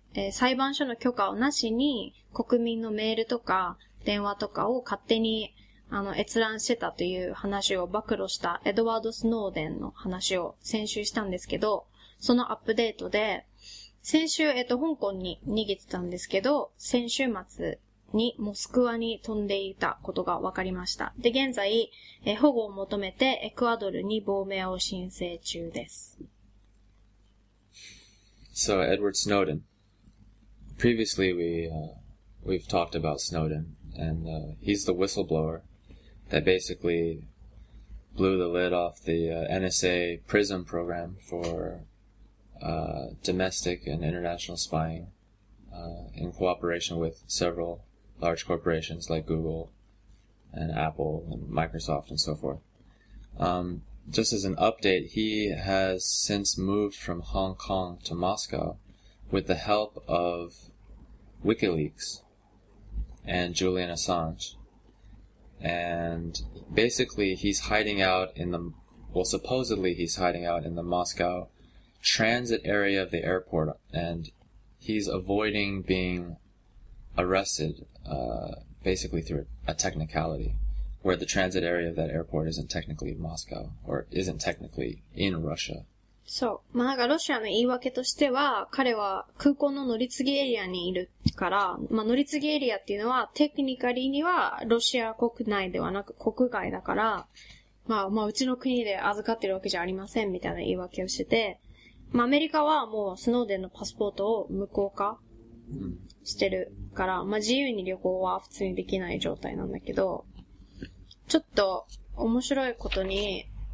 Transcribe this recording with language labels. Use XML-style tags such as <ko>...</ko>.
<ja>裁判所の許可をなしに国民のメールとか電話とかを勝手に閲覧してたという話を暴露したエドワード・スノーデンの話を先週したんですけど、そのアップデートで先週、香港に逃げてたんですけど、先週末にモスクワに飛んでいたことが分かりました。で、現在、保護を求めてエクアドルに亡命を申請中です。</ja> <en>So, Edward Snowden. Previously, we've talked about Snowden, and he's the whistleblower that basically blew the lid off the NSA PRISM program for domestic and international spying in cooperation with several large corporations like Google and Apple and Microsoft and so forth. Just as an update, he has since moved from Hong Kong to Moscow with the help of WikiLeaks and Julian Assange. And basically he's hiding out in the, well, supposedly he's hiding out in the Moscow transit area of the airport, and he's avoiding being arrested, basically through a technicality, where the transit area of that airport isn't technically Moscow, or isn't technically in Russia.</en> <ja>そう。まあ、なんかロシアの言い訳としては、彼は空港の乗り継ぎエリアにいるから、まあ乗り継ぎエリアっていうのは、テクニカリにはロシア国内ではなく国外だから、まあ、まあうちの国で預かってるわけじゃありませんみたいな言い訳をしてて、まあ、アメリカはもうスノーデンのパスポートを無効化してるから、まあ、自由に旅行は普通にできない状態なんだけど、ちょっと面白いことに、</ja>